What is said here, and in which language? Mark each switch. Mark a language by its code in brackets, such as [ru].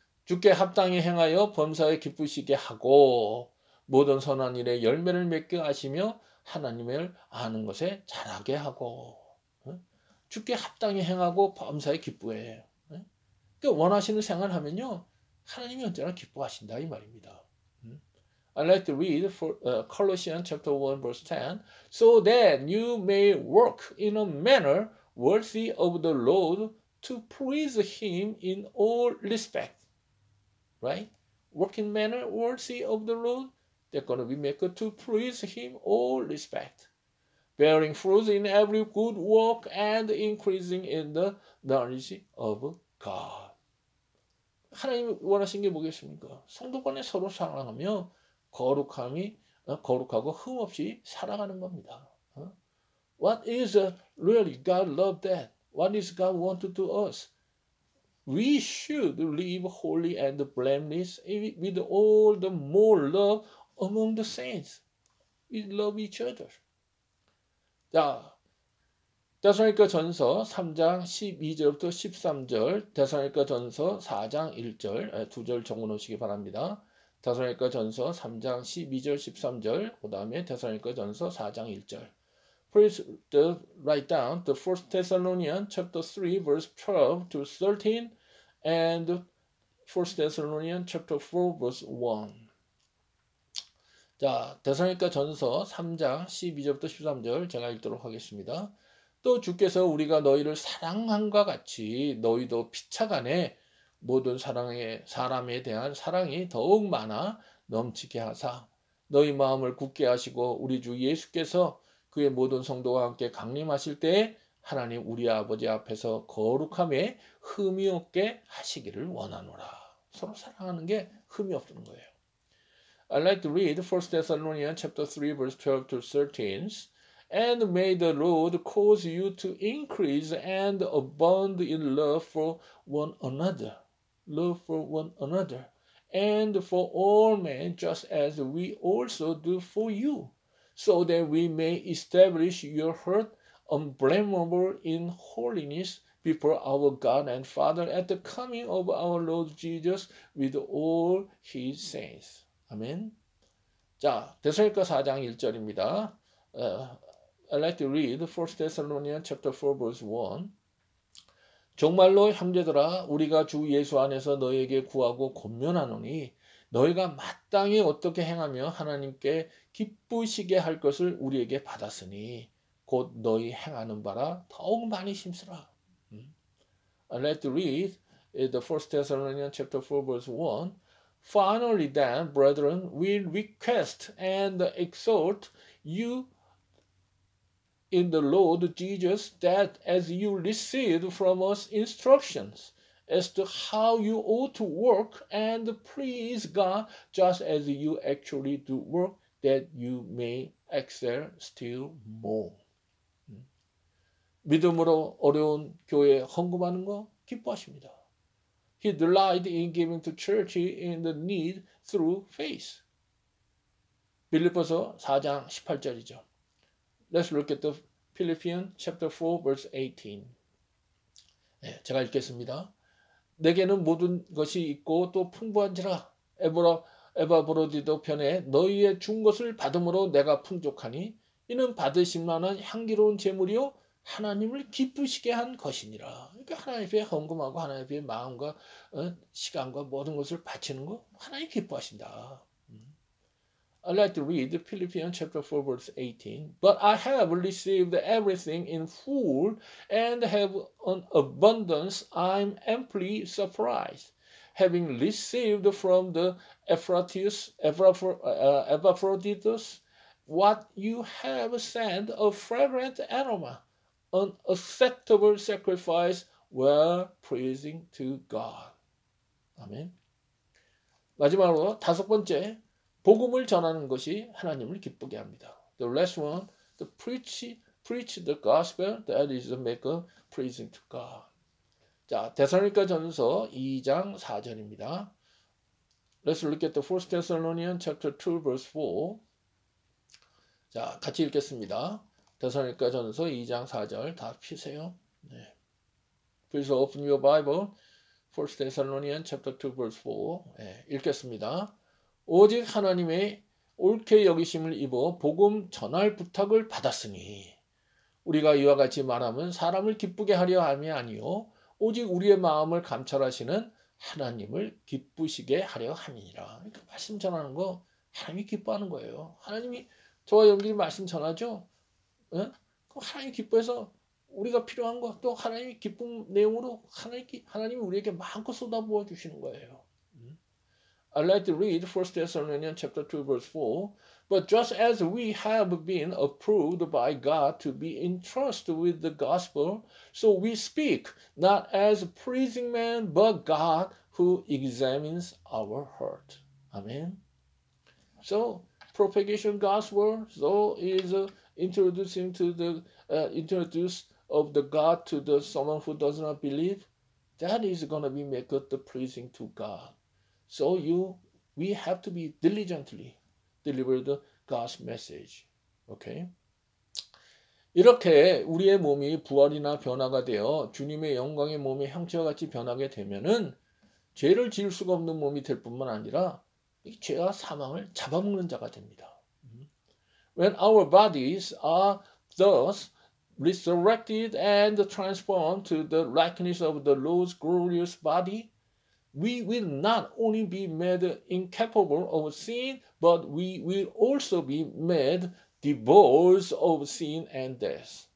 [ko] 주께 합당히 행하여 범사에 기쁘시게 하고 모든 선한 일에 열매를 맺게 하시며 하나님을 아는 것에 자라게 하고. 주께 합당히 행하고 범사에 기쁘게 해. 그러니까 원하시는 생활을 하면요, 하나님이 언제나 기뻐하신다 이 말입니다. [en] I'd like to read for Colossians chapter 1 verse 10. So that you may work in a manner worthy of the Lord to please him in all respects. Right? Working manner worthy of the Lord, they're going to be made to please him all respect. Bearing fruit in every good work and increasing in the knowledge of God. [ko] 하나님 원하신 게 뭐겠습니까? 성도간에 서로 사랑하며 거룩함이, 거룩하고 흠 없이 살아가는 겁니다. [en] What is really God love that? What does God want to do us? We should live holy and blameless with all the more love among the saints. We love each other. [ko] 자, 데살로니가 전서 3장 12절부터 13절, 데살로니가 전서 4장 1절, 2절 정문 오시기 바랍니다. 데살로니가 전서 3장 12절, 13절, 그 다음에 데살로니가 전서 4장 1절. [en] Please write down the 1 Thessalonians chapter 3, verse 12 to 13, and 1 Thessalonians chapter 4, verse 1. [ko] 자, 데살로니가 전서 3장 12절부터 13절 제가 읽도록 하겠습니다. 또 주께서 우리가 너희를 사랑한 것 같이 너희도 피차 간에 모든 사랑의 사람에 대한 사랑이 더욱 많아 넘치게 하사 너희 마음을 굳게 하시고 우리 주 예수께서 그의 모든 성도와 함께 강림하실 때 하나님 우리 아버지 앞에서 거룩함에 흠이 없게 하시기를 원하노라. 서로 사랑하는 게 흠이 없는 거예요. [en] I'd like to read 1 Thessalonians chapter 3 verse 12 to 13. And may the Lord cause you to increase and abound in love for one another. Love for one another. And for all men, just as we also do for you. So that we may establish your heart unblameable in holiness before our God and Father at the coming of our Lord Jesus with all his saints. Amen. [ko] 자, 데살로니가 4장 1절입니다. [en] I'd like to read 1 Thessalonians chapter 4 verse 1. [ko] 정말로 형제들아 우리가 주 예수 안에서 너에게 구하고 권면하노니 너희가 마땅히 어떻게 행하며 하나님께 기쁘시게 할 것을 우리에게 받았으니 곧 너희 행하는 바라 더욱 많이 힘쓰라. [en] I'd like to read the 1 Thessalonians chapter 4 verse 1. Finally then, brethren, we request and exhort you in the Lord Jesus that as you receive from us instructions as to how you ought to work and please God just as you actually do work that you may excel still more. [ko] 믿음으로 어려운 교회에 헌금하는 거 기뻐하십니다. [en] He delighted in giving to church in the need through faith. [ko] 빌립보서 4장 18절이죠. [en] Let's look at the Philippians chapter 4 verse 18. [ko] 네, 제가 읽겠습니다. 내게는 모든 것이 있고 또 풍부한지라 에바브로디도 편에 너희의 준 것을 받음으로 내가 풍족하니 이는 받으실 만한 향기로운 제물이요 하나님을 기쁘시게 한 것이니라. 그러니까 하나님께 헌금하고 하나님께 마음과 시간과 모든 것을 바치는 거 하나님 기뻐하신다. [en] I'd like to read Philippians chapter 4 verse 18. But I have received everything in full and have an abundance. I'm amply supplied. Having received from the Epaphroditus what you have sent, a fragrant aroma. An acceptable sacrifice, well pleasing to God. Amen. [ko] 마지막으로 다섯 번째, 복음을 전하는 것이 하나님을 기쁘게 합니다. [en] The last one, to preach the gospel, that is the make of pleasing to God. [ko] 자, 데살로니가 전서 2장 4절입니다. [en] Let's look at the First Thessalonians chapter 2 verse 4. [ko] 자, 같이 읽겠습니다. 데살로니가전서 2장 4절 다 펴세요. 네. [en] Please open your Bible. First Thessalonians chapter 2 verse 4. [ko] 예, 네, 읽겠습니다. 오직 하나님의 옳게 여기심을 입어 복음 전할 부탁을 받았으니 우리가 이와 같이 말함은 사람을 기쁘게 하려 함이 아니요 오직 우리의 마음을 감찰하시는 하나님을 기쁘시게 하려 함이니라. 그러니까 말씀 전하는 거 하나님이 기뻐하는 거예요. 하나님이 저와 여러분들이 말씀 전하죠. 예? 하나님이 기뻐해서 우리가 필요한 거 또 하나님이 기쁜 내용으로 하나님이 우리에게 마음껏 쏟아부어 주시는 거예요. [en] I'd like to read 1 Thessalonians chapter 2 verse 4. But just as we have been approved by God to be entrusted with the gospel, so we speak not as pleasing men, but God who examines our heart. Amen. So, propagation gospel, so is introducing to the introduce of the God to the someone who does not believe. That is going to be make the pleasing to God. So we have to be diligently deliver the God's message, okay? [ko] 이렇게 우리의 몸이 부활이나 변화가 되어 주님의 영광의 몸의 형체와 같이 변하게 되면은 죄를 지을 수가 없는 몸이 될 뿐만 아니라 이 죄와 사망을 잡아먹는 자가 됩니다. [en] When our bodies are thus resurrected and transformed to the likeness of the Lord's glorious body, we will not only be made incapable of sin, but we will also be made devoid of sin and death.